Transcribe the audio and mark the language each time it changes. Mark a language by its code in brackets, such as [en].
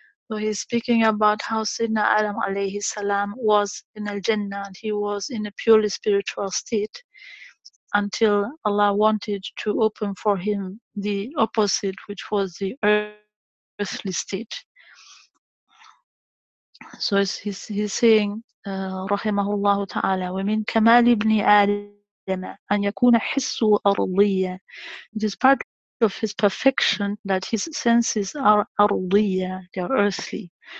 [en] So he's speaking about how Sayyidina Adam alayhi salam was in al-Jannah and he was in a purely spiritual state until Allah wanted to open for him the opposite, which was the earthly state. So he's saying, [ar] رحمه الله تعالى, ومن كمال ابن آدم أن يكون حسه أرضية. [en] It is part of his perfection that his senses are أرضية, they are earthly.